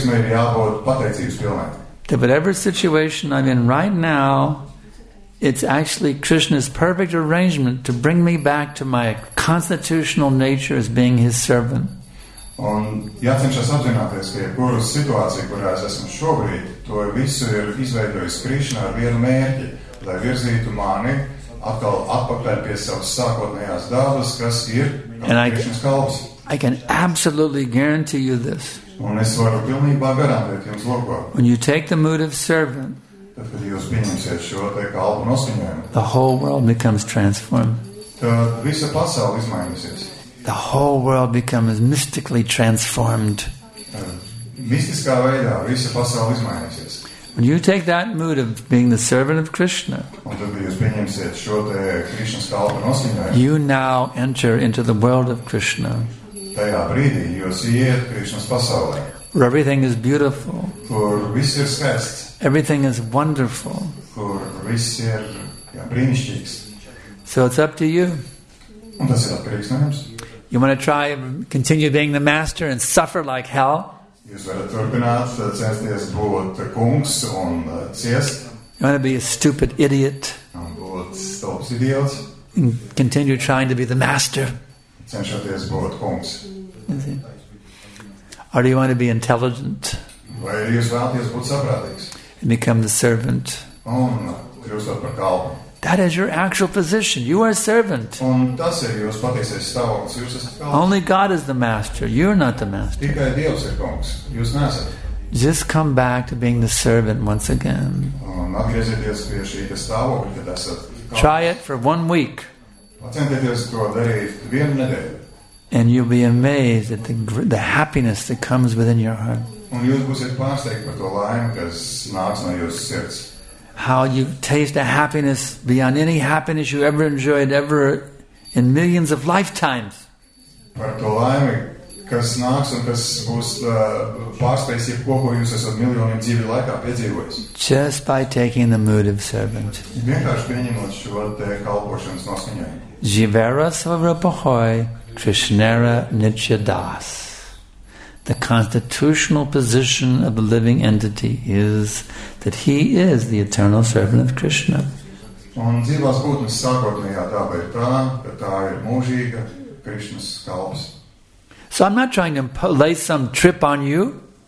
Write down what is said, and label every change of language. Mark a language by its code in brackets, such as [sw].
[en] That whatever situation I'm in right now, it's actually Krishna's perfect arrangement to bring me back to my constitutional nature as being his servant. [lv] Un jācenšas apzināties, ka jebkuru situāciju, kurā es esmu šobrīd, to visu ir izveidojis Krišna ar vienu mērķi, lai virzītu mani atkal atpakaļ pie savas sākotnējās dabas, kas ir Krišnas kalps. [en] I can absolutely guarantee you this. [lv] Un es varu pilnībā garantēt jums loko. [en] When you take the mood of servant, [lv] tad, kad jūs pieņemsiet šo te kalpu nosiņojumu, [en] the whole world becomes transformed. [lv] Tad visa pasaule izmainīsies. [en] The whole world becomes mystically transformed. [lv] Mistiskā veidā visa pasaule izmainīsies. [en] When you take that mood of being the servant of Krishna, [lv] un tad, ja jūs pieņemsiet šo te Krishnas kalpu nosiņojumu, [en] you now enter into the world of Krishna. [lv] Tajā brīdī jūs ieiet Krishnas pasaulē. [en] Where everything is beautiful. [lv] Kur viss ir skaists. [en] Everything is wonderful. [lv] Kur viss ir brīnišķīgs. [en] So it's up to you. [lv] Un tas ir atkarīgs no jums. [en] You want to try and continue being the master and suffer like hell? [lv] Jūs varat turpināt censties būt kungs un ciest. [en] You want to be a stupid idiot? [lv] Un būt stulbs idiots? [en] And continue trying to be the master? [lv] Cenšoties būt kungs. [en] Or do you want to be intelligent? [lv] Vai jūs vēlaties būt saprātīgs? [en] And become the servant? [lv] Un kļūstot par kalpu. [en] That is your actual position. You are a servant. [lv] Un tas ir jūs patiesais stāvoklis. Jūs esat kalps. [en] Only God is the master. You are not the master. [lv] Tikai Dievs ir kungs. Jūs neesat. [en] Just come back to being the servant once again. [lv] Un atgriezieties pie šī stāvokļa, kad esat kalps. [en] Try it for 1 week. [lv] Pacentieties to darīt vienu nedēļu. [en] And you'll be amazed at the happiness that comes within your heart. [lv] Un jūs būsiet pārsteigti par to laimi, kas nāks no jūsu sirds. [en] How you taste a happiness beyond any happiness you ever enjoyed ever in millions of lifetimes. [lv] Par to laimi, kas nāks un kas būs pārspējis jebko, jūs esat miljoniem dzīvi laikā piedzīvojis. [en] Just by taking the mood of servant. [lv] Vienkārši pieņemot šo te kalpošanas noskaņojumu. [bn] Jivera svarupahoi krishnera nitya das. [en] The constitutional position of the living entity is that he is the eternal servant of Krishna. [lv] Un dzīvās būtnes sākotnējā daba ir tā, ka tā ir mūžīga Krishnas kalps. [en] So I'm not trying to lay some trip on you.